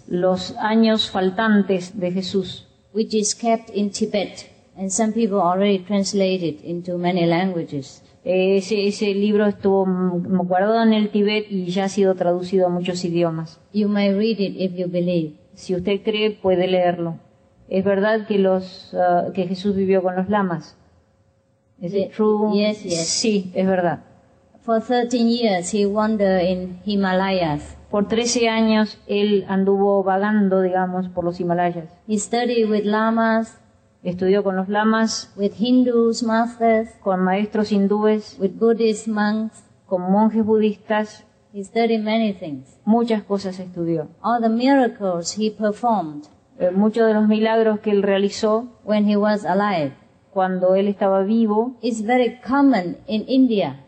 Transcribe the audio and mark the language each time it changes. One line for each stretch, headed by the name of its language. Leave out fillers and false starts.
Spanish: los años faltantes de Jesús,
English: which is kept in Tibet, and some people already translated into many languages.
Spanish: Ese libro estuvo guardado en el Tibet y ya ha sido traducido a muchos idiomas.
English: You may read it if you believe.
Spanish: Si usted cree, puede leerlo. Es verdad que que Jesús vivió con los lamas.
English: Is it true? Yes, yes.
Spanish: Sí, es verdad.
English: For 13 years he wandered in Himalayas.
Spanish: Por 13 años él anduvo vagando, digamos, por los Himalayas.
English: He studied with lamas,
Spanish: estudió con los lamas,
English: with Hindus masters,
Spanish: con maestros hindúes,
English: with Buddhist monks,
Spanish: con monjes budistas.
English: He studied many things.
Spanish: Muchas cosas estudió.
English: All the miracles he performed.
Spanish: Muchos de los milagros que él realizó
English: when he was alive.
Spanish: Cuando él estaba vivo,
English: it's very common in India,